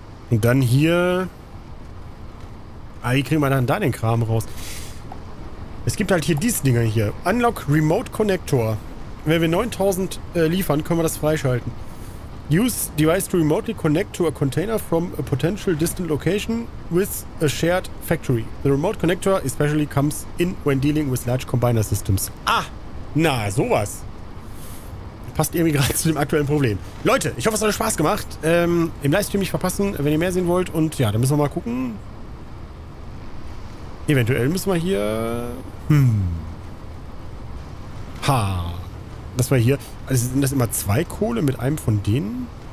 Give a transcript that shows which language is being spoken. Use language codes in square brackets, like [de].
[de] Und dann hier... Ah, wie kriegen wir dann da den Kram raus? Es gibt halt hier diese Dinger hier. [en] Unlock Remote Connector. [de] Wenn wir 9000 liefern, können wir das freischalten. [en] Use device to remotely connect to a container from a potential distant location with a shared factory. The remote connector especially comes in when dealing with large combiner systems. [de] Ah, na sowas. Passt irgendwie gerade zu dem aktuellen Problem. Leute, ich hoffe, es hat Spaß gemacht. Im Livestream nicht verpassen, wenn ihr mehr sehen wollt. Und ja, dann müssen wir mal gucken. Eventuell müssen wir hier... Ha. Das war hier. Also sind das immer zwei Kohle mit einem von denen?